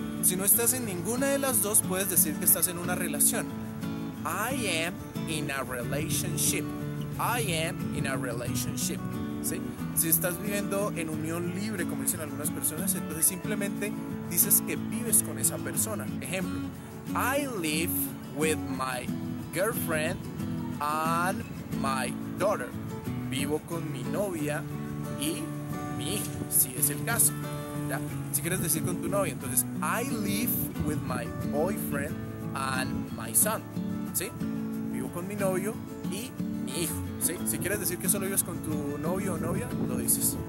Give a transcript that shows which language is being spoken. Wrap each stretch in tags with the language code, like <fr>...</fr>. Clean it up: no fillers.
<es>Si no estás en ninguna de las dos, puedes decir que estás en una relación.</es> <en>I am in a relationship. I am in a relationship. ¿Sí?</en> <es>Si estás viviendo en unión libre, como dicen algunas personas, entonces simplemente dices que vives con esa persona.</es> <en>Ejemplo, I live with my girlfriend and my daughter.</en> <es>Vivo con mi novia y mi hija, si es el caso. ¿Ya? Si quieres decir con tu novia, entonces</es> <en>I live with my boyfriend and my son.</en> <es>¿Sí? Vivo con mi novio y mi hijo. ¿Sí? Si quieres decir que solo vives con tu novio o novia, lo dices.</es>